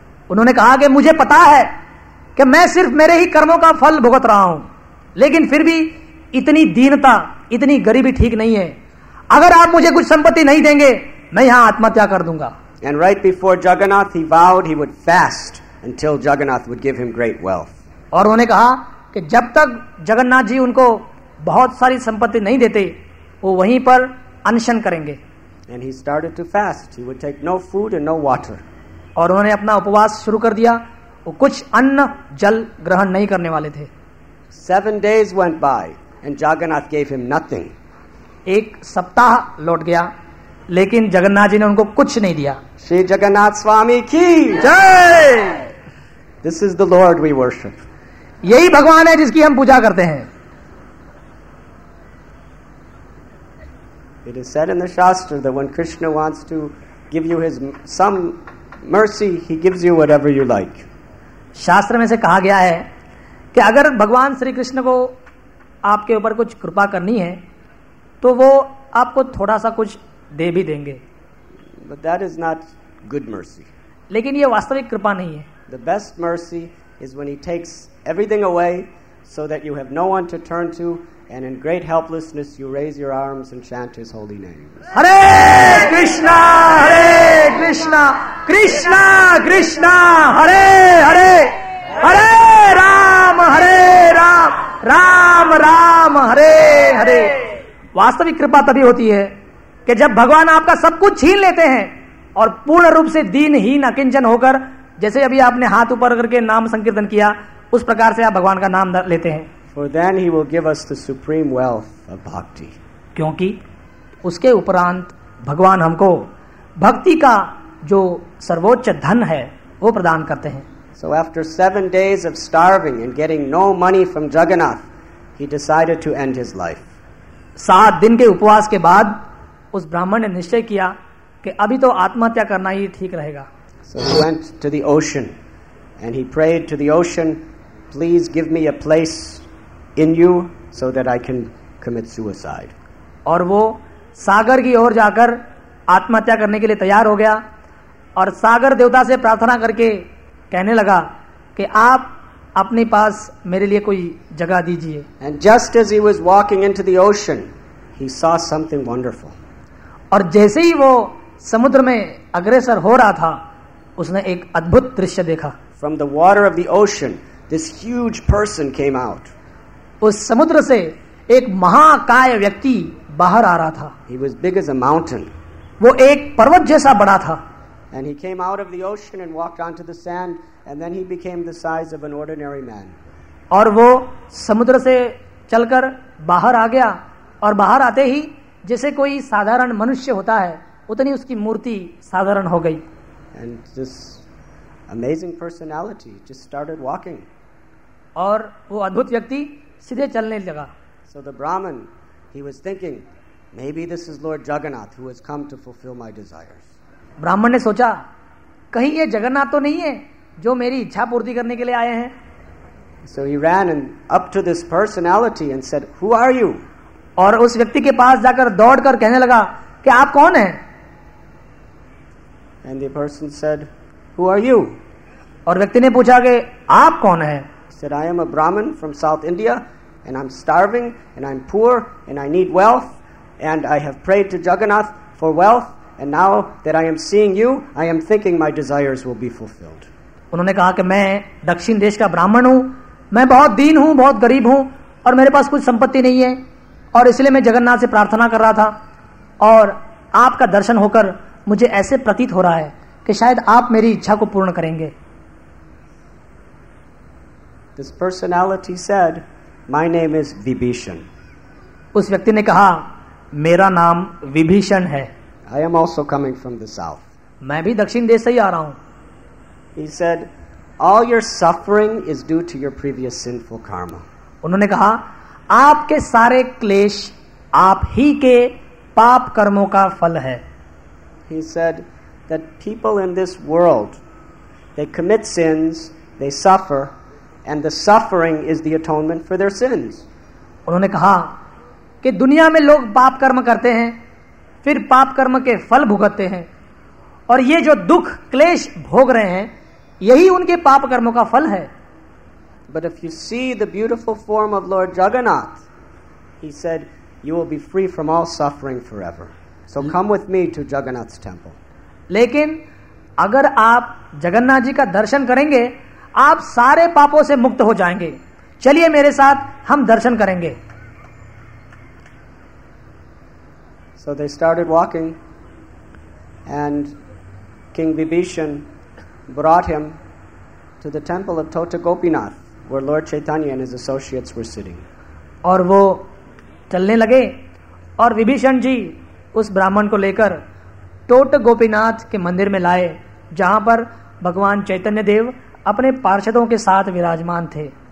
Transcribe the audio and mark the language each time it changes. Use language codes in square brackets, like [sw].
[hi] उन्होंने कहा कि मुझे पता है कि मैं सिर्फ मेरे ही कर्मों का फल भुगत रहा हूं, लेकिन फिर भी इतनी दीनता, इतनी गरीबी ठीक नहीं है, अगर आप मुझे कुछ संपत्ति नहीं देंगे मैं यहां आत्महत्या कर दूंगा। [en] And right before Jagannath, he vowed he would fast until Jagannath would give him great wealth. [hi] और उन्होंने कहा कि जब तक जगन्नाथ जी उनको बहुत सारी संपत्ति नहीं देते वो वहीं पर अनशन करेंगे। [en] And he started to fast. He would take no food and no water. [hi] और उन्होंने अपना उपवास शुरू कर दिया, वो कुछ अन्न जल ग्रहण नहीं करने वाले थे। [en] 7 days went by and Jagannath gave him nothing. [hi] एक सप्ताह लौट गया लेकिन जगन्नाथ जी ने उनको कुछ नहीं दिया। श्री जगन्नाथ स्वामी की जय। [en] This is the Lord we worship. [hi] यही भगवान है जिसकी हम पूजा करते हैं। [en] It is said in the Shastra that when Krishna wants to give you his some mercy, he gives you whatever you like. [hi] शास्त्र में से कहा गया है कि अगर भगवान श्री कृष्ण को आपके ऊपर कुछ कृपा करनी है तो वो आपको थोड़ा सा कुछ दे भी देंगे। [en] But that is not good mercy. [hi] लेकिन ये वास्तविक कृपा नहीं है। [en] The best mercy is when he takes everything away so that you have no one to turn to and in great helplessness you raise your arms and chant his holy name. [sa] Hare Krishna, Hare Krishna, Krishna Krishna, Hare Hare, Hare Ram, Hare Ram, Ram Ram, Hare Hare. [hi] वास्तविक कृपा तभी होती है कि जब भगवान आपका सब कुछ छीन लेते हैं और पूर्ण रूप से दीन ही नकिंचन होकर, जैसे अभी आपने हाथ ऊपर करके नाम संकीर्तन किया, उस प्रकार से आप भगवान का नाम लेते हैं। [en] For then he will give us the supreme wealth of bhakti. [hi] क्योंकि उसके उपरांत भगवान हमको भक्ति का जो सर्वोच्च धन है वो प्रदान करते हैं। [en] So after 7 days of starving and getting no money from Jagannath, he decided to end his life. [hi] 7 दिन के उपवास के बाद उस ब्राह्मण ने निश्चय किया कि अभी तो आत्महत्या करना ही ठीक रहेगा। [en] So he went to the ocean and he prayed to the ocean, please give me a place in you so that I can commit suicide. [hi] और वो सागर की ओर जाकर आत्महत्या करने के लिए तैयार हो गया और सागर देवता से प्रार्थना करके कहने लगा कि आप अपने पास मेरे लिए कोई जगह दीजिए। [en] And just as he was walking into the ocean, he saw something wonderful. [hi] और जैसे ही वो समुद्र में अग्रसर हो रहा था, उसने एक अद्भुत दृश्य देखा। [en] From the water of the ocean, this huge person came out. [hi] उस समुद्र से एक महाकाय व्यक्ति बाहर आ रहा था. [en] He was big as a mountain. [hi] वो एक पर्वत जैसा बड़ा था. [en] And he came out of the ocean and walked onto the sand, and then he became the size of an ordinary man. [hi] और वो समुद्र से चलकर बाहर आ गया, और बाहर आते ही जैसे कोई साधारण मनुष्य होता है, उतनी उसकी मूर्ति साधारण हो गई. [en] And this amazing personality just started walking. [hi] और वो अद्भुत व्यक्ति सीधे चलने लगा. [en] So the Brahmin, he was thinking, maybe this is Lord Jagannath who has come to fulfill my desires. [hi] ब्राह्मण ने सोचा, कहीं ये जगन्नाथ तो नहीं है जो मेरी इच्छा पूर्ति करने के लिए आए हैं. [en] So he ran and up to this personality and said, "Who are you?" [hi] और उस व्यक्ति के पास जाकर दौड़कर कहने लगा कि आप कौन हैं? [en] And the person said, "Who are you?" [hi] और व्यक्ति ने पूछा कि आप कौन हैं? [en] He said, "I am a Brahmin from South India, and I'm starving, and I'm poor, and I need wealth, and I have prayed to Jagannath for wealth, and now that I am seeing you, I am thinking my desires will be fulfilled." [hi] उन्होंने कहा कि मैं दक्षिण देश का ब्राह्मण हूँ, मैं बहुत दीन हूँ, बहुत गरीब हूँ, और मेरे पास कुछ संपत्ति नहीं है, और इसलिए मैं जगन्नाथ से प्रार्थना कर रहा था, और आपका दर्शन होकर मुझे ऐसे प्रतीत हो रहा है कि शायद आप मेरी इच्छा को पूर्ण करेंगे. [en] This personality said, "My name is Vibhishan." [hi] उस व्यक्ति ने कहा, मेरा नाम विभीषण है. [en] I am also coming from the south. [hi] मैं भी दक्षिण देश से ही आ रहा हूँ. [en] He said, "All your suffering is due to your previous sinful karma." [hi] उन्होंने कहा, आपके सारे क्लेश आप ही के पाप कर्मों का फल है. [en] He said that people in this world, they commit sins, they suffer, and the suffering is the atonement for their sins. [hi] उन्होंने कहा कि दुनिया में लोग पाप कर्म करते हैं, फिर पाप कर्म के फल भुगतते हैं, और ये जो दुख क्लेश भोग रहे हैं, यही उनके पाप कर्मों का फल है. [en] But if you see the beautiful form of Lord Jagannath, he said, you will be free from all suffering forever. So come with me to Jagannath's temple. [hi] लेकिन अगर आप जगन्नाथ जी का दर्शन करेंगे, आप सारे पापों से मुक्त हो जाएंगे. चलिए मेरे साथ, हम दर्शन करेंगे. [en] So they started walking, and King Vibhishan brought him to the temple of Tota Gopinath, where Lord Chaitanya and his associates were sitting. [hi] और वो चलने लगे, और विभीषण जी उस ब्राह्मण को लेकर टोट गोपीनाथ के मंदिर में लाए, जहां पर भगवान चैतन्य देव अपने पार्षदों के साथ विराजमान थे.